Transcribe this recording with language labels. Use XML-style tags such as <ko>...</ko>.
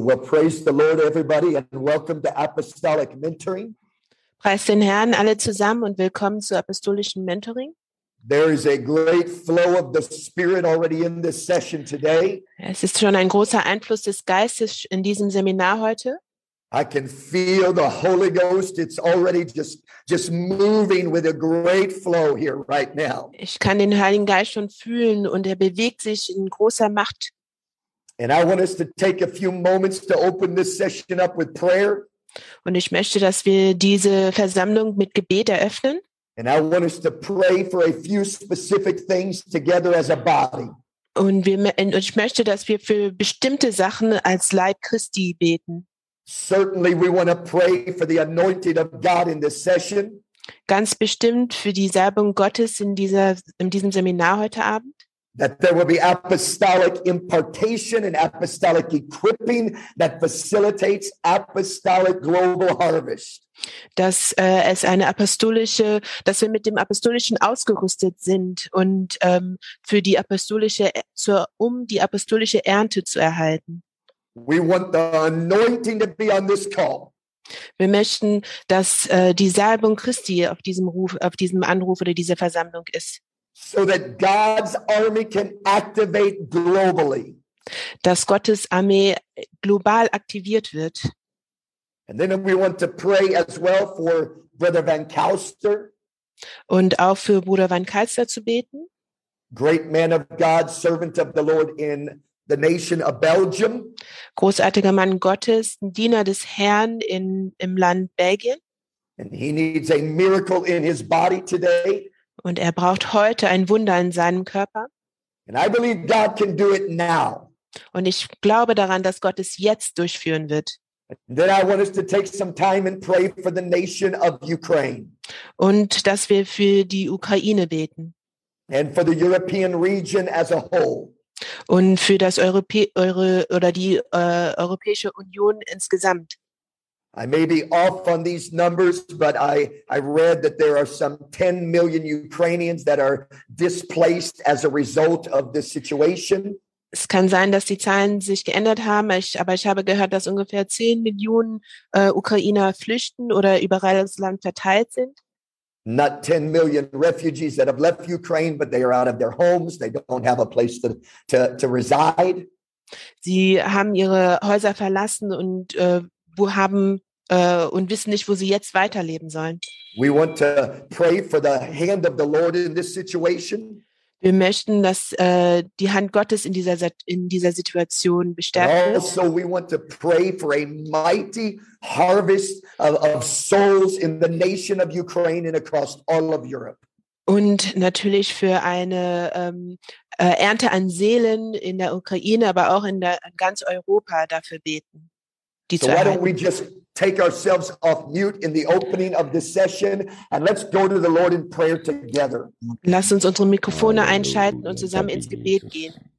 <en>Well, praise the Lord, everybody, and welcome to Apostolic Mentoring.</en> <de>Preist den Herrn alle zusammen und willkommen zu apostolischen Mentoring.</de> <en>There is a great flow of the Spirit already in this session today.</en> <de>Es ist schon ein großer Einfluss des Geistes in diesem Seminar heute.</de> <en>I can feel the Holy Ghost. It's already just moving with a great flow here right now.</en> <de>Ich kann den Heiligen Geist schon fühlen und bewegt sich in großer Macht.</de> <en>And I want us to take a few moments to open this session up with prayer.</en> <de>Und ich möchte, dass wir diese Versammlung mit Gebet eröffnen.</de> <en>And I want us to pray for a few specific things together as a body.</en> <de>Und ich möchte, dass wir für bestimmte Sachen als Leib Christi beten.</de> <en>Certainly we want to pray for the anointing of God in this session.</en> <de>Ganz bestimmt für die Salbung Gottes in diesem Seminar heute Abend.</de> <en>That there will be apostolic impartation and apostolic equipping that facilitates apostolic global harvest.</en> <de>Dass wir mit dem Apostolischen ausgerüstet sind und die apostolische Ernte zu erhalten.</de> <en>We want the anointing to be on this call.</en> <de>Wir möchten, dass die Salbung Christi auf diesem Anruf oder dieser Versammlung ist.</de> <en>So that God's army can activate globally.</en> <de>Dass Gottes Armee global aktiviert wird.</de> <en>And then we want to pray as well for Brother Van Kouster.</en> <de>Und auch für Bruder Van Kouster zu beten.</de> <en>Great man of God, servant of the Lord in the nation of Belgium.</en> <de>Großartiger Mann Gottes, Diener des Herrn im Land Belgien.</de> <en>And he needs a miracle in his body today.</en> <de>Und er braucht heute ein Wunder in seinem Körper.</de> <en>And I believe God can do it now.</en> <de>Und ich glaube daran, dass Gott es jetzt durchführen wird. Und dass wir für die Ukraine beten.</de> <en>And for the European region as a whole.</en> <de>Und für das Europäische Union insgesamt.</de> <en>I may be off on these numbers, but I read that there are some 10 million Ukrainians that are displaced as a result of this situation.</en> <de>Es kann sein, dass die Zahlen sich geändert haben, aber ich habe gehört, dass ungefähr 10 Millionen Ukrainer flüchten oder überall ins Land verteilt sind.</de> <en>Not 10 million refugees that have left Ukraine, but they are out of their homes. They don't have a place to reside.</en> <de>Sie haben ihre Häuser verlassen und und wissen nicht, wo sie jetzt weiterleben sollen.</de> <en>We want to pray for the hand of the Lord in this situation.</en> <de>Wir möchten, dass die Hand Gottes in dieser Situation bestärkt wird.</de> <en>Also, we want to pray for a mighty harvest of souls in the nation of Ukraine and across all of Europe.</en> <de>Und natürlich für eine Ernte an Seelen in der Ukraine, aber auch in ganz Europa dafür beten.</de> <en>So why don't we just take ourselves off mute in the opening of this session and let's go to the Lord in prayer together.</en> <de>Lass uns unsere Mikrofone einschalten und zusammen ins Gebet gehen.</de>